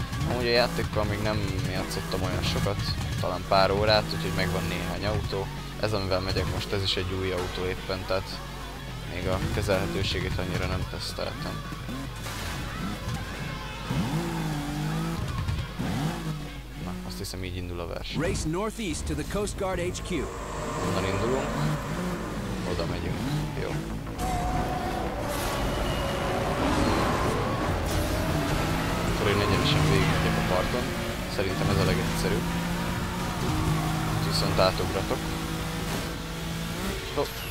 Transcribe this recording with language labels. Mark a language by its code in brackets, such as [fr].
[hu] Amúgy a játékkal még nem játszottam olyan sokat, talán pár órát, úgyhogy megvan néhány autó. Ez, amivel megyek most, ez is egy új autó éppen, tehát még a kezelhetőségét annyira nem teszteltem. Na, azt hiszem így indul a verseny. [en] Race northeast to the Coast Guard HQ. [hu] Onnan indulunk, oda megyünk. Jó. Akkor én egyenesen végigmegyek a parton. Szerintem ez a legegyszerűbb. Viszont átugratok. Hopp.